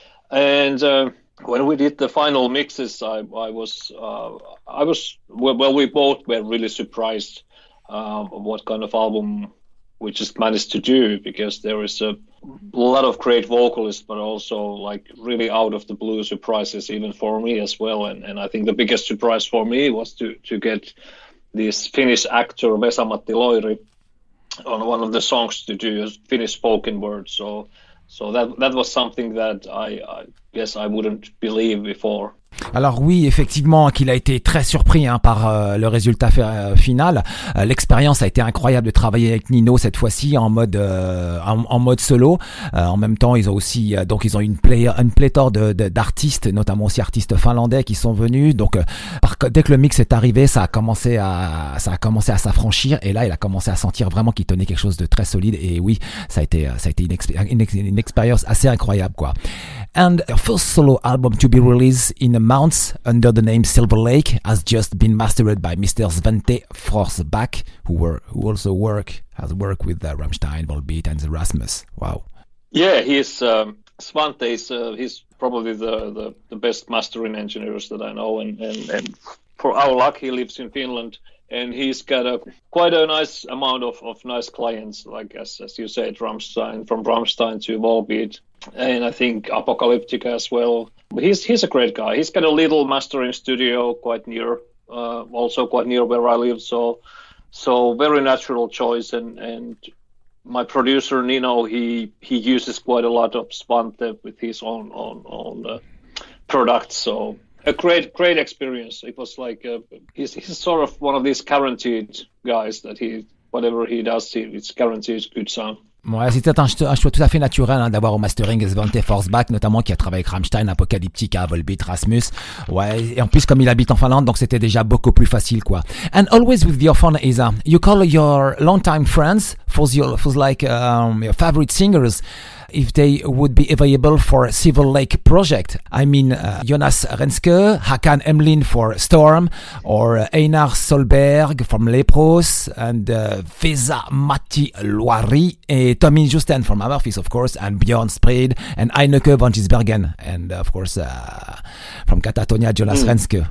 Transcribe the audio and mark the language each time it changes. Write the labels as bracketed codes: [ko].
[en] And when we did the final mixes, we both were really surprised what kind of album we just managed to do, because there is a lot of great vocalists, but also like really out of the blue surprises, even for me as well. And I think the biggest surprise for me was to get this Finnish actor Vesa-Matti Loiri on one of the songs to do a Finnish spoken word. So that was something that I guess I wouldn't believe before. [fr] Alors oui, effectivement, qu'il a été très surpris hein, par le résultat final. L'expérience a été incroyable de travailler avec Nino cette fois-ci en mode solo. En même temps, ils ont aussi donc ils ont une pléthore de d'artistes, notamment aussi artistes finlandais qui sont venus. Donc dès que le mix est arrivé, ça a commencé à s'affranchir. Et là, il a commencé à sentir vraiment qu'il tenait quelque chose de très solide. Et oui, ça a été une expérience assez incroyable, quoi. [en] And the first solo album to be released in a month under the name Silver Lake has just been mastered by Mr. Svante Forsback, who also has worked with Rammstein, Volbeat, and Erasmus. Wow. Yeah, he's probably the best mastering engineers that I know. And for our luck, he lives in Finland. And he's got quite a nice amount of nice clients, like as you said, from Rammstein to Volbeat, and I think Apocalyptica as well. But he's a great guy. He's got a little mastering studio quite near, also quite near where I live. So very natural choice. And my producer Nino, he uses quite a lot of Svante with his own products. So. A great experience. It was like he's sort of one of these guaranteed guys that he whatever he does, it's guaranteed good sound. [fr] Ouais, c'était un choix tout à fait naturel hein, d'avoir au mastering Svante Forsback, notamment qui a travaillé avec Rammstein, Apocalyptica, Volbeat, Rasmus. Ouais, et en plus comme il habite en Finlande, donc c'était déjà beaucoup plus facile, quoi. [en] And always with your phone, Isa, you call your longtime friends for your favorite singers if they would be available for Silver Lake project. I mean Jonas Renske, Hakan Emlin for Storm, or Einar Solberg from Lepros, and Vesa-Matti Loiri, and Tommy Justen from Amorphis, of course, and Bjorn Spreed, and Heineke von Gisbergen, and of course from Catatonia, Jonas Renske.